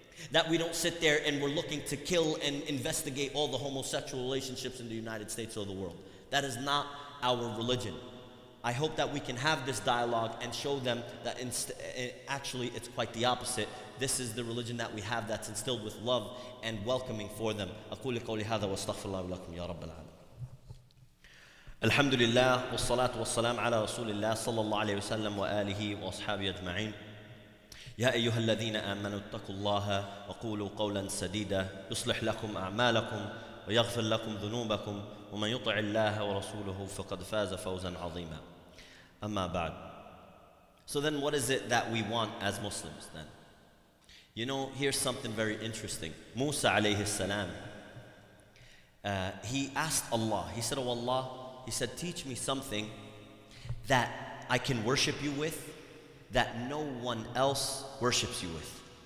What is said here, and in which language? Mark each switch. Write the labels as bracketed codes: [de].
[en] That we don't sit there and we're looking to kill and investigate all the homosexual relationships in the United States or the world. That is not our religion. I hope that we can have this dialogue and show them that actually it's quite the opposite. This is the religion that we have that's instilled with love and welcoming for them. [ar] أقول قولي هذا واستغفر الله لكم يا رب العالمين. الحمد لله والصلاة والسلام على رسول الله صلى الله عليه وسلم وآله وأصحابه أجمعين. يا أيها الذين آمنوا اتقوا الله وقولوا قولا سديدا يصلح لكم أعمالكم ويغفر لكم ذنوبكم ومن يطع الله ورسوله فقد فاز فوزا عظيما أما بعد. [en] So then what is it that we want as Muslims then? You know, here's something very interesting. Musa عليه السلام, he asked Allah, he said, oh Allah, he said, teach me something that I can worship you with that no one else worships you with.